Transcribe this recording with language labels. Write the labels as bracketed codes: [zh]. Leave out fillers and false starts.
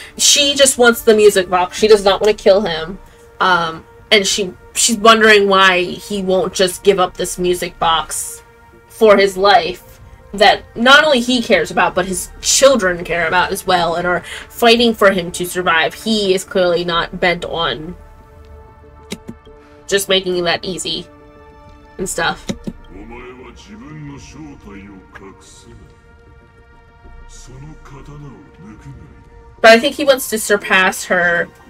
[en] She just wants the music box. She does not want to kill him. And she's wondering why he won't just give up this music box for his life that not only he cares about, but his children care about as well and are fighting for him to survive. He is clearly not bent on just making that easy and stuff. [ja] 自分の正体を隠せない。その刀を抜くなり。 [en] But I think he wants to surpass her.